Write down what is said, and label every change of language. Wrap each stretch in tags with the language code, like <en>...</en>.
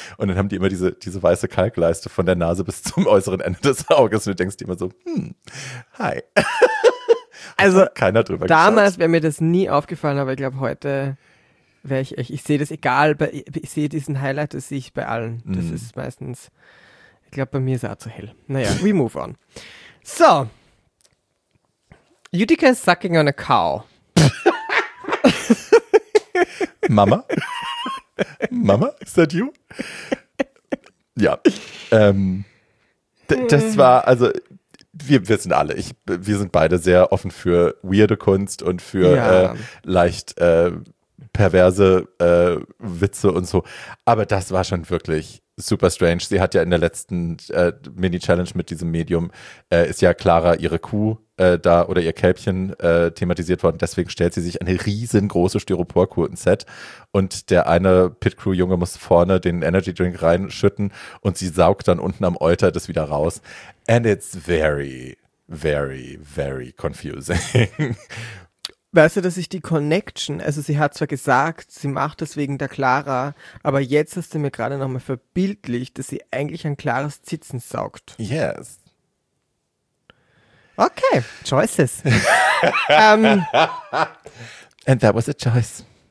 <de>Und dann haben die immer diese weiße Kalkleiste von der Nase bis zum äußeren Ende des Auges. Und du denkst dir immer so, hi. Also, keiner drüber damals wäre mir das nie aufgefallen, aber ich glaube, heute wäre ich sehe das egal, ich sehe diesen Highlight, das sehe ich bei allen. Das ist meistens, ich glaube, bei mir ist er auch zu hell.</de> <en>Naja, we move on. So, Utica is sucking on a cow. Mama? Mama, is that you?</en> <de>Ja, das war, also... Wir sind alle, wir sind beide sehr offen für weirde Kunst und für leicht perverse Witze und so. Aber das war schon wirklich super strange. Sie hat ja in der letzten Mini-Challenge mit diesem Medium, ist ja Clara ihre Kuh da oder ihr Kälbchen thematisiert worden. Deswegen stellt sie sich eine riesengroße Styropor-Kuh ins Set. Und der eine Pit-Crew-Junge muss vorne den Energy-Drink reinschütten und sie saugt dann unten am Euter das wieder raus.</de> <en>And it's very, very, very confusing.</en> <de>Weißt du, dass ich die Connection, also sie hat zwar gesagt, sie macht das wegen der Clara, aber jetzt hast du mir gerade nochmal verbildlicht, dass sie eigentlich an Claras Zitzen saugt.</de> <en>Yes. Okay, choices. And that was a choice.</en>